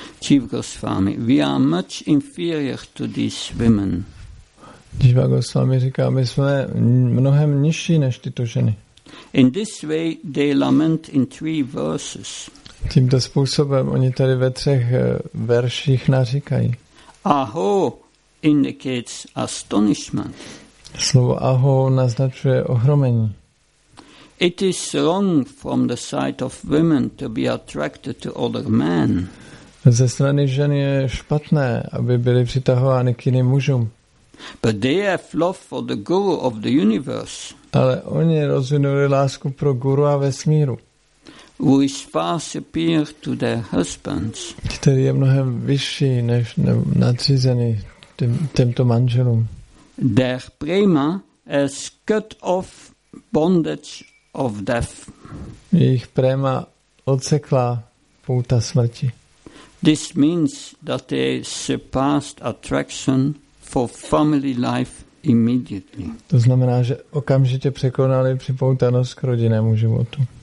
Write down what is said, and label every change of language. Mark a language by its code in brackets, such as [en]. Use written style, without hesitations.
[en] Jiva Gosvámi, we are much inferior to these women. [cs] Jiva Gosvámi říká, my jsme mnohem nižší než tyto ženy. [en] In this way they lament in three verses. [cs] Tímto způsobem oni tady ve třech verších naříkají. [en] Aho indicates astonishment. [cs] Slovo aho naznačuje ohromení. [en] It is wrong from the side of women to be attracted to other men. [cs] Ze strany žen je špatné, aby byly přitahovány k jiným mužům. [en] But they have love for the guru of the universe. [cs] Ale oni rozvinuli lásku pro guru a vesmíru. [en] Who is far superior to their husbands. [cs] Který je mnohem vyšší než nadřízený těmto manželům. [en] Their prema has cut off bondage of death. [cs] Jejich prema odsekla pouta smrti. [en] This means that they surpassed attraction for family life immediately. [cs] To znamená, že okamžitě překonali připoutanost k rodinnému životu.